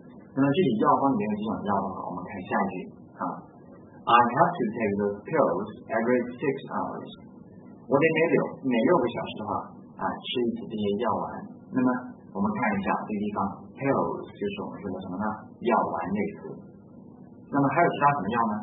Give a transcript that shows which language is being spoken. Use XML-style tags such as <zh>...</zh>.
<zh>那么具体药方里面有几种药的话，我们看下一句啊。</zh> <en>I have to take those pills every 6 hours.</en> <zh>我得每六个小时的话啊吃一次这些药丸。那么我们看一下这个地方 pills 就是我们说的什么呢？药丸类词。那么还有其他什么药呢？</zh>